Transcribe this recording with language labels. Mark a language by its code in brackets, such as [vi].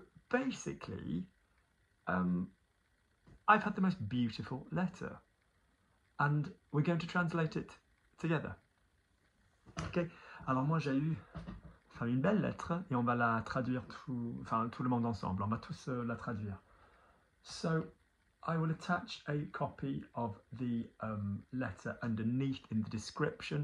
[en] Basically, I've had the most beautiful letter, and we're going to translate it together. Okay. [fr] Alors moi j'ai eu, enfin, une belle lettre et on va la traduire tout, enfin tout le monde ensemble. On va tous la traduire. [en] So, I will attach a copy of the letter underneath in the description.